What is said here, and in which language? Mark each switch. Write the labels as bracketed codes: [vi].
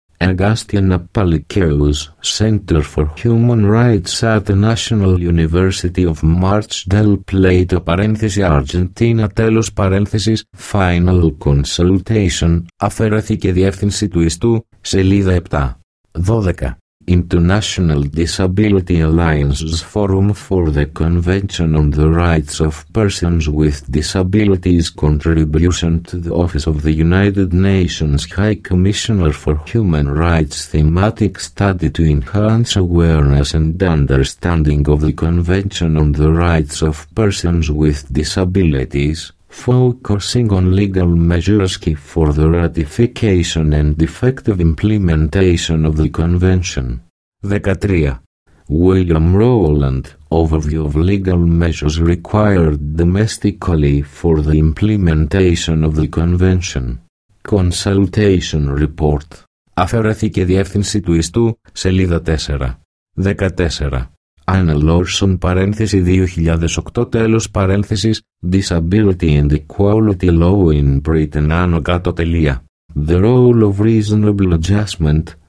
[en] Agastian Apalikeus, Center for Human Rights at the National University of March del Plata / Argentina τέλος παρένθεσης, Final Consultation, αφαιρέθηκε διεύθυνση του ιστού, σελίδα 7. 12. International Disability Alliance's Forum for the Convention on the Rights of Persons with Disabilities contribution to the Office of the United Nations High Commissioner for Human Rights thematic study to enhance awareness and understanding of the Convention on the Rights of Persons with Disabilities, focusing on legal measures key for the ratification and effective implementation of the convention. 13. William Rowland, Overview of Legal Measures Required Domestically for the Implementation of the Convention. Consultation Report. [el] Αφαιρέθηκε διεύθυνση του ιστού, σελίδα 4. [en] 14. Anna Lawson παρένθεση 2008 τέλος παρένθεσης Disability and Equality Law in Britain / The Role of Reasonable Adjustment